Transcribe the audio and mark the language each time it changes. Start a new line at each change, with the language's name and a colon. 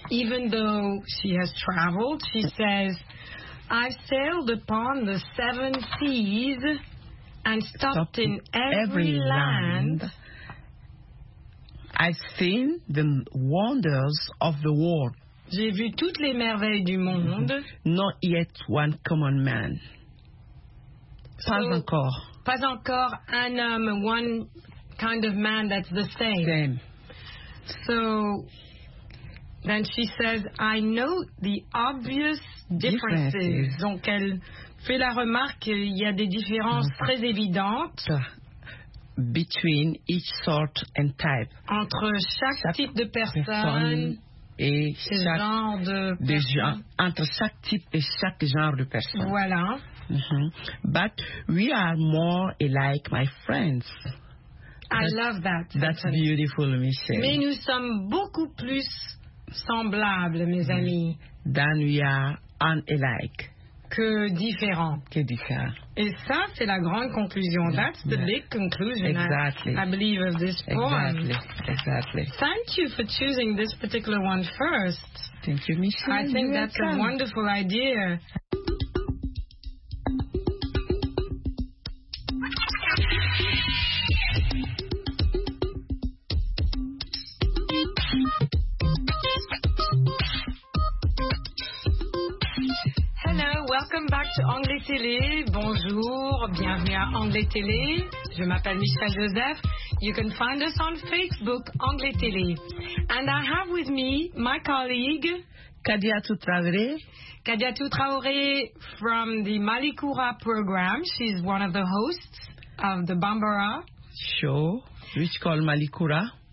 English: Even though she has traveled, she says, I sailed upon the seven seas and stopped in every land. I've seen the wonders of the world.
French: J'ai vu toutes les merveilles du monde.
English: Not yet one common man.
French: Pas encore. Pas encore un homme,
English: one kind of man that's the same. Same. So, then she says, I note the obvious differences.
French: Donc, elle fait la remarque qu'il y a des différences très évidentes.
English: Between each sort and type.
French: Entre chaque type de personne. Et chaque genre de gens, entre chaque type et chaque genre de personne. Voilà.
English: But we are more alike, my friends. I love that. That's beautiful, Michelle.
French: Mais nous sommes beaucoup plus semblables, mes amis.
English: Than we are unlike.
French: Que différents. Que différents. Et ça, c'est la grande conclusion.
English: That's the big conclusion, exactly. I believe, of this poem. Exactly. Thank you for choosing this particular one first. Thank you, Michelle. I think that's a wonderful idea. Welcome back to Anglais Télé.
French: Bonjour, bienvenue à Anglais Télé. Je m'appelle Michel Joseph.
English: You can find us on Facebook, Anglais Télé. And I have with me my colleague, Kadiatou Traoré. Kadiatou Traoré from the Malikoura program. She's one of the hosts of the Bambara show, which is called Malikoura.